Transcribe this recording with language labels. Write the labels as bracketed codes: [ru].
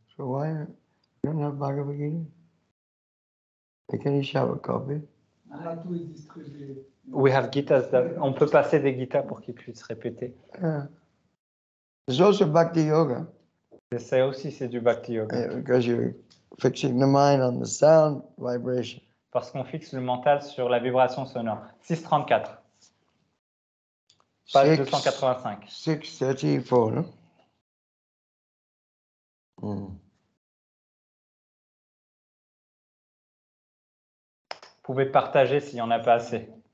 [en] So why you don't have Bhagavad Gita? They can each have a copy. [fr] Arrête tout et distribuer. [en] We have Gitas. [fr] On peut passer des Gitas pour qu'ils puissent répéter. [en] It's also Bhakti Yoga. [fr] Et ça aussi, c'est du Bhakti Yoga. [en] Because you're fixing the mind on the sound vibration. [fr] Parce qu'on fixe le mental sur la vibration sonore. [en] 634. Page 285. [fr] 634, non? Vous pouvez partager s'il n'y en a pas assez.